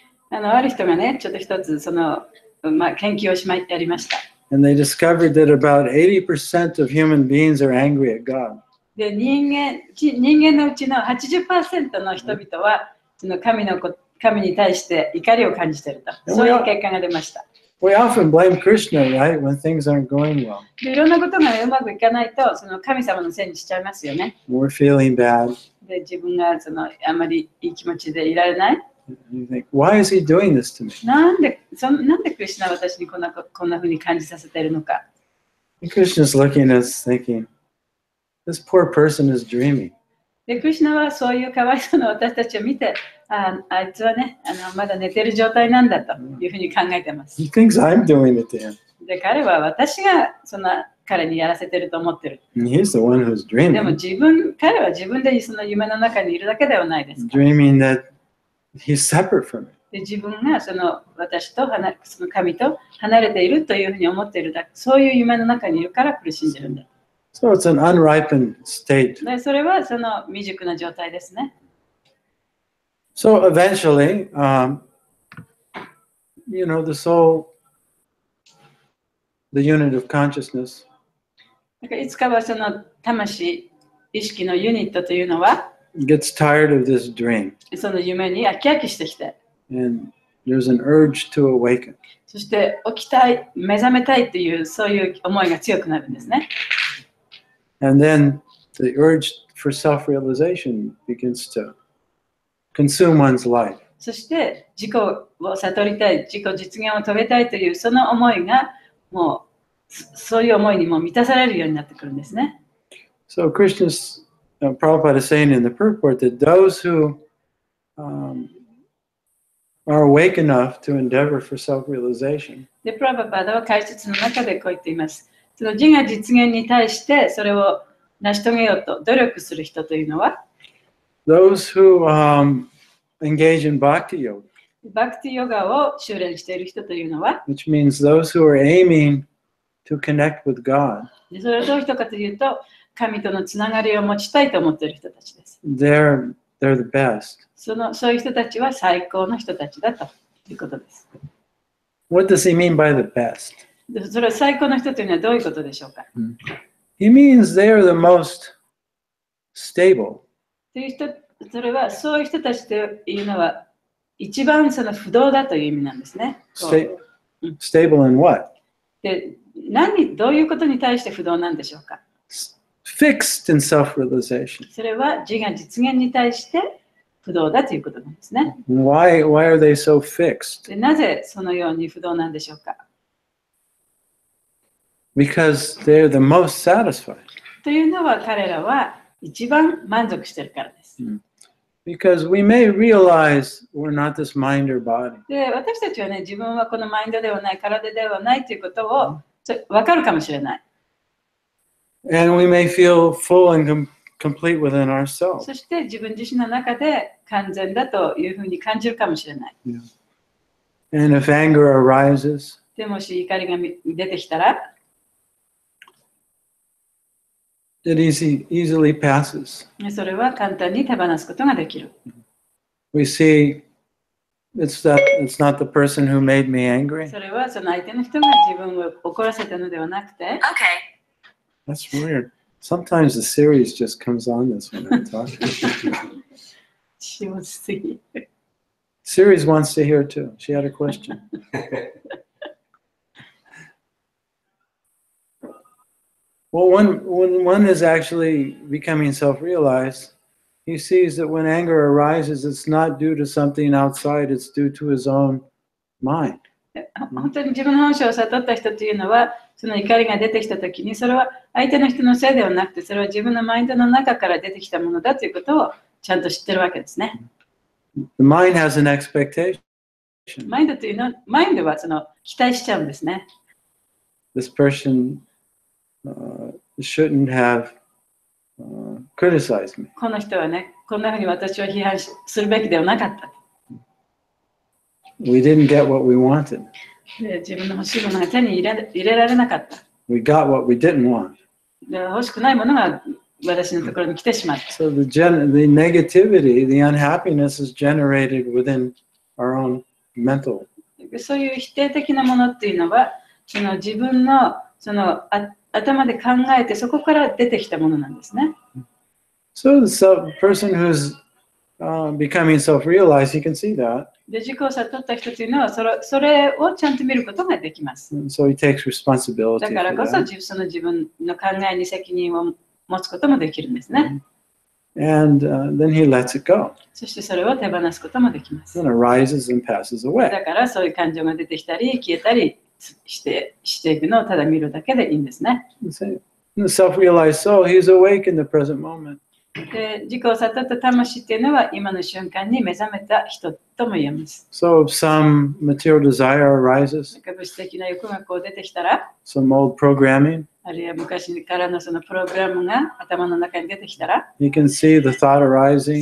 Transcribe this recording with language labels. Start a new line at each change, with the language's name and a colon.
Japanese: ある人がね、ちょっと一つその、まあ、研究をしまいやりました。
English: And they discovered that about 80% of human beings are angry at God.
Japanese: で、人間のうちの 80% の人々はその神に対して怒りを感じていると。そういう結果が出ました。
English: We often blame Krishna, right, when things aren't going well.
Japanese: いろんなことがうまくいかないと、その神様のせいにしちゃいますよね。
English: We're feeling bad.
Japanese: で、自分がそのあまりいい気持ちでいられない。
English: You think, why is he doing this to me?
Japanese: なんでクリシュナは私にこんな風に感じさせているのか。
English: Krishna's looking at us thinking, this poor person is dreaming.
Japanese: で、クリシュナはそういうかわいそうな私たちを見て、あいつはね、まだ寝てる状態なんだというふうに考えてます。
English: He thinks I'm doing it to him.
Japanese: で、彼は私がそんな彼にやらせてると思ってる。
English: And he's the one who's dreaming.
Japanese: でも彼は自分でその夢の中にいるだけではないですか。
English: Dreaming that he's separate from me.
Japanese: で、自分がその私とその神と離れているというふうに思ってるだけ、そういう夢の中にいるから苦しんでるんだ。
English: So it's an unripened state.
Japanese: で、それはその未熟な状態ですね。
English: So eventually, you know, the soul, the unit of consciousness.
Japanese: いつかはその魂、意識のユニットというのは
English: gets tired of this dream.
Japanese: その夢に飽き飽きしてきて。
English: And there's an urge to awaken.
Japanese: そして起きたい、目覚めたいというそういう思いが強くなるんですね。
English: And then the urge for self-realization begins to consume one's life.
Japanese: そして自己を悟りたい、自己実現を遂げたいというその思いがもうそういう思いにも満たされるようになってくるんですね。
English: So Krishna's Prabhupada is saying in the purport that those who are awake enough to endeavor for self-realization.
Japanese: で、プラバパダは解説の中でこう言っています。その自我実現に対してそれを成し遂げようと努力する人というのは、
English: Those who engage in bhakti yoga.
Japanese: Bhakti yoga を修練している人というのは、
English: which means those who are aiming to connect with God.
Japanese: それはどういう人かというと、神とのつながりを持ちたいと思っている人たちです。
English: They're the best.
Japanese: そういう人たちは最高の人たちだということです。
English: What does he mean by the best?
Japanese: それは最高の人というのはどういうことでしょうか。
English: He means they are the most stable.
Japanese: それはそういう人たちというのは一番その不動だという意味なんですね。
English: Stable in what?
Japanese: で、どういうことに対して不動なんでしょうか。
English: Fixed in self-realization.
Japanese: それは自我実現に対して不動だということなんですね。
English: Why are they so fixed?
Japanese: で、なぜそのように不動なんでしょうか。
English: Because they're the most satisfied.
Japanese: というのは彼らは一番満足してるからです。
English: Because we may realize we're not this mind or body.
Japanese: で、私たちはね、自分はこのマインドではない、体ではないということを分かるかもしれない。
English: And we may feel full and complete within ourselves.
Japanese: そして自分自身の中で完全だというふうに感じるかもしれない。
English: Yeah. And if anger arises,
Japanese: でもし怒りが出てきたら、
English: It easily passes.
Japanese: それは簡単に手放すことができる。
English: We see it's not the person who made me angry.
Japanese: それはその相手の人が自分を怒らせたのではなくて。
English: Okay. That's weird. Sometimes the Siri just comes on this when I'm talking. She wants to hear. Siri wants to hear too. She had a question. Well, when one is actually becoming self-realized, he sees that when anger arises, it's not due to something outside, it's due to his own mind.
Japanese: 本当に自分の本性を悟った人というのは、その怒りが出てきたときに、それは相手の人のせいではなくて、それは自分のマインドの中から出てきたものだということをちゃんと知ってるわけですね。
English: The mind has an expectation.
Japanese: マインドというのは、マインドはその期待しちゃうんですね。
English: This person, shouldn't have, criticized me.
Japanese: この人はね、こんなふうに私を批判するべきではなかった。
English: We didn't get what we wanted.
Japanese: 自分の欲しいものが手に入れられなかった。
English: We got what we didn't want.
Japanese: 欲しくないものが私のところに来てしまった。
English: So the negativity, the unhappiness is generated within our own mental.
Japanese: そういう否定的なものっていうのは、その自分のその頭で考えてそこから出てきたものなんですね。
English: So the person who's becoming self-realized, he can see that.
Japanese: で自己を悟った人というのは、それをちゃんと見ることができます。
English: So、he takes responsibility
Japanese: だからこそ、その自分の考えに責任を持つこともできるんですね。
English: And, then he lets it go.
Japanese: そしてそれを手放すこともできます。
English: Then it rises and passes away.
Japanese: だからそういう感情が出てきたり、消えたりしていくのをただ見るだけでいいんですね。
English: The self-realized soul, he's awake in the present moment.
Japanese: で自己を悟った魂っていうのは今の瞬間に目覚めた人とも言えます。
English: So if some material desire arises,
Japanese: 物質的な欲がこう出てきたら、
English: some old programming,
Japanese: あるいは昔からのそのプログラムが頭の中に出てきたら、
English: you can see the thought arising,